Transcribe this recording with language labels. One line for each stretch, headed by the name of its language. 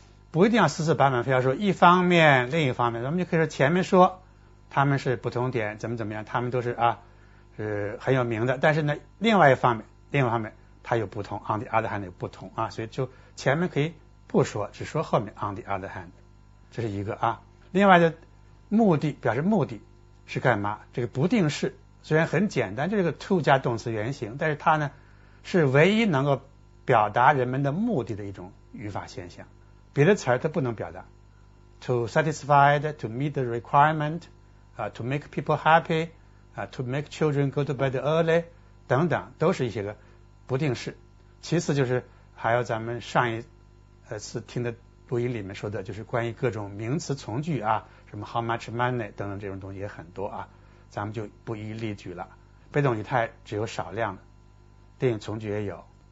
Chinese: 不一定要四四板板，非要说一方面另一方面，咱们就可以说前面说他们是不同点怎么怎么样，他们都是啊是很有名的，但是呢另外一方面，另外一方面它有不同， on the other hand 有不同啊，所以就前面可以不说，只说后面 on the other hand， 这是一个啊。另外的目的表示目的是干嘛，这个不定式虽然很简单，就是个 to 加动词原形，但是它呢是唯一能够表达人们的目的的一种语法现象，别的词儿它不能表达。
English: to satisfy, to meet the requirement, to make people happy, to make children go to bed early 等等，都是一些个不定式。
Chinese: 其次就是还有咱们上一次听的录音里面说的，就是关于各种名词从句啊，什么 how much money 等等这种东西也很多啊，咱们就不一例举了。被动语态只有少量的，定语从句也有。